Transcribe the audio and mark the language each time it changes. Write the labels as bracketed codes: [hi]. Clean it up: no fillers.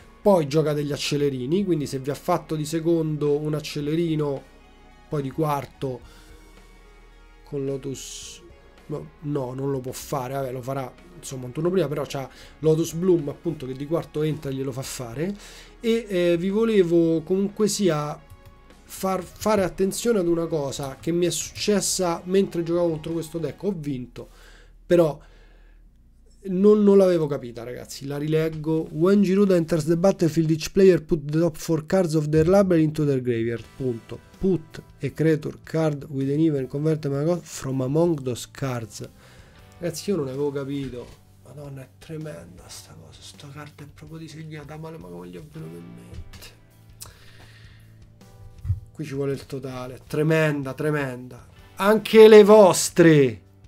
[it] Poi gioca degli accelerini, quindi se vi ha fatto di secondo un accelerino, poi di quarto con Lotus, no, non lo può fare, vabbè, lo farà insomma un turno prima, però c'ha Lotus Bloom appunto, che di quarto entra e glielo fa fare. E vi volevo comunque sia fare attenzione ad una cosa che mi è successa mentre giocavo contro questo deck. Ho vinto, però non l'avevo capita, ragazzi, la rileggo. [en] When Giruda enters the battlefield, each player put the top 4 cards of their library into their graveyard, punto. Put a creature card with an even converted mana cost from among those cards. [it] Ragazzi, io non avevo capito. Madonna, è tremenda sta cosa. Sta carta è proprio disegnata male, ma come gli ho venuto in mente? Qui ci vuole il totale. Tremenda, tremenda. Anche le vostre.